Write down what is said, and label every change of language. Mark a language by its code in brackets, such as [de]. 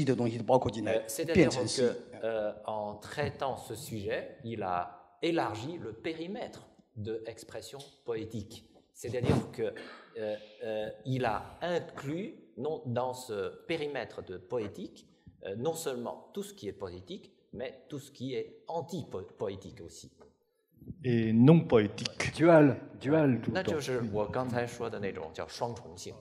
[zh] 那么岳敏君的话的有意思的地方，也就在于他在创造他的那个意义上的诗意的时候，他是一个扩大的一个非常广阔的一个定义，一个领域，他把它包括进来了，就是这种诗意是一种，也是一种现代性的诗意，就是把反诗意都包括进来，把非诗意不是诗意的东西都包括进来，变成诗意。 [fr] En traitant ce sujet, il a élargi le périmètre de expression poétique. C'est-à-dire que il a inclus dans ce périmètre de poétique non seulement tout ce qui est poétique, mais tout ce qui est anti-poétique aussi. Et non poétique. [en] Dual. [zh] 那就是我刚才说的那种叫双重性.